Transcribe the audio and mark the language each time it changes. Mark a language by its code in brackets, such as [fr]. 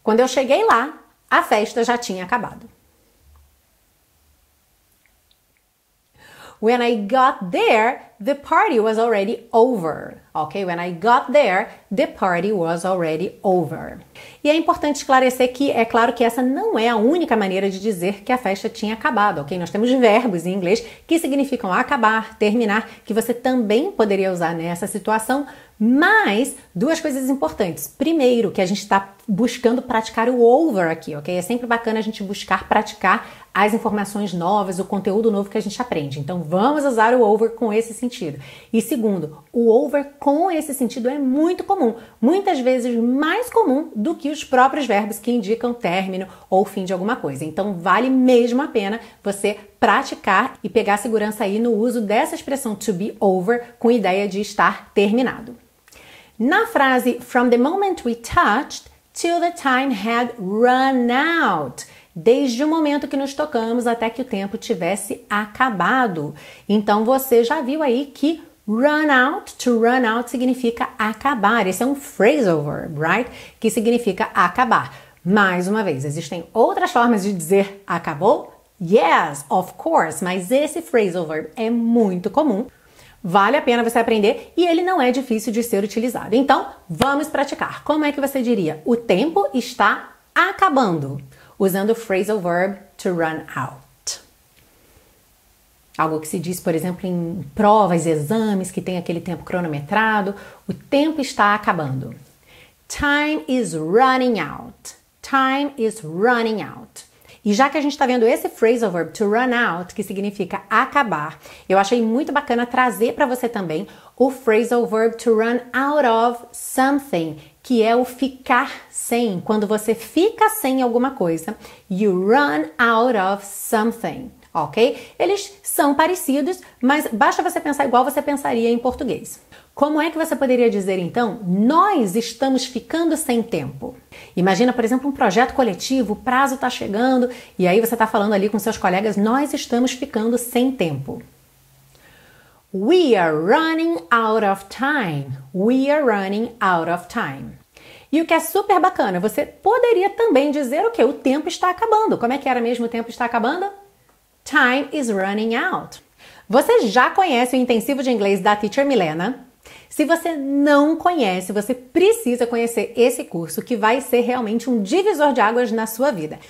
[pt] Quando eu cheguei lá, a festa já tinha acabado. [en] When I got there, the party was already over. Okay? When I got there, the party was already over. [pt] E é importante esclarecer que é claro que essa não é a única maneira de dizer que a festa tinha acabado, ok? Nós temos verbos em inglês que significam acabar, terminar, que você também poderia usar nessa situação, mas duas coisas importantes. Primeiro, que a gente está buscando praticar o over aqui, ok? É sempre bacana a gente buscar praticar as informações novas, o conteúdo novo que a gente aprende. Então, vamos usar o over com esse sentido. E segundo, o over com esse sentido é muito comum, muitas vezes mais comum do que os próprios verbos que indicam término ou fim de alguma coisa. Então, vale mesmo a pena você praticar e pegar segurança aí no uso dessa expressão to be over com ideia de estar terminado. Na frase [en] from the moment we touched till the time had run out. [pt] Desde o momento que nos tocamos até que o tempo tivesse acabado. Então você já viu aí que run out, to run out significa acabar. Esse é um phrasal verb, [en] right? [pt] Que significa acabar. Mais uma vez, existem outras formas de dizer acabou? [en] Yes, of course, [pt] mas esse phrasal verb é muito comum. Vale a pena você aprender e ele não é difícil de ser utilizado. Então, vamos praticar. Como é que você diria? O tempo está acabando. Usando o phrasal verb to run out. Algo que se diz, por exemplo, em provas e exames que tem aquele tempo cronometrado. O tempo está acabando. [en] Time is running out. Time is running out. [pt] E já que a gente está vendo esse phrasal verb to run out, que significa acabar, eu achei muito bacana trazer para você também o phrasal verb to run out of something. Que é o ficar sem, quando você fica sem alguma coisa. [en] You run out of something, ok? [pt] Eles são parecidos, mas basta você pensar igual você pensaria em português. Como é que você poderia dizer então? Nós estamos ficando sem tempo. Imagina, por exemplo, um projeto coletivo, o prazo está chegando, e aí você está falando ali com seus colegas: nós estamos ficando sem tempo. [en] We are running out of time. We are running out of time. [pt] E o que é super bacana, você poderia também dizer o quê? O tempo está acabando. Como é que era mesmo o tempo está acabando? [en] Time is running out. [pt] Você já conhece o intensivo de inglês da Teacher Milena? Se você não conhece, você precisa conhecer esse curso que vai ser realmente um divisor de águas na sua vida.